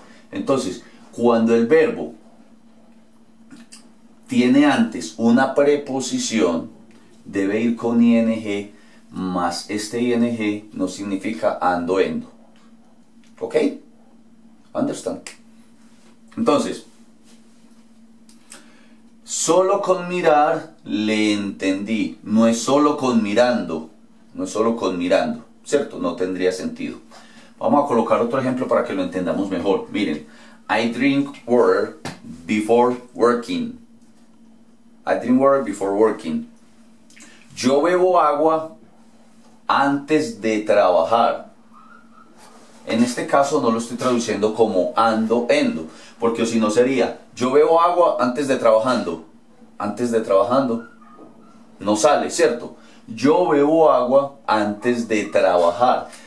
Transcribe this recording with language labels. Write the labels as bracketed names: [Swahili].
[Spanish] Entonces, cuando el verbo tiene antes una preposición, debe ir con ing, más este ing no significa ando-endo. ¿Ok? Understand. Entonces, solo con mirar le entendí. No es solo con mirando. No es solo con mirando, ¿cierto? No tendría sentido. Vamos a colocar otro ejemplo para que lo entendamos mejor. [English] Miren, I drink water before working. I drink water before working. [Spanish] Yo bebo agua antes de trabajar. En este caso no lo estoy traduciendo como ando-endo, porque si no sería, yo bebo agua antes de trabajando. Antes de trabajando. No sale, ¿cierto? Yo bebo agua antes de trabajar.